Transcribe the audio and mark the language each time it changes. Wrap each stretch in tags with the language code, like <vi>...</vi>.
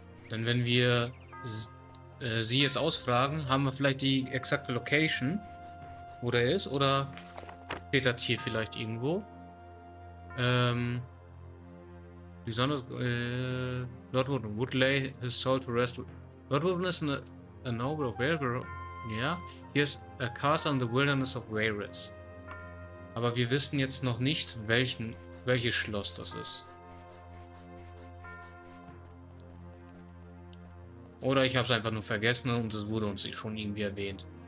<de>Denn wenn wir sie jetzt ausfragen, haben wir vielleicht die exakte Location, wo der ist, oder steht das hier vielleicht irgendwo? Besonders</de> <en>Lord Woodburn would lay his soul to rest. Lord Woodburn is a noble of Varys. Yeah. He is a castle in the wilderness of Varys.</en> <de>Aber wir wissen jetzt noch nicht, welches Schloss das ist. Oder ich habe es einfach nur vergessen und es wurde uns schon irgendwie erwähnt.</de>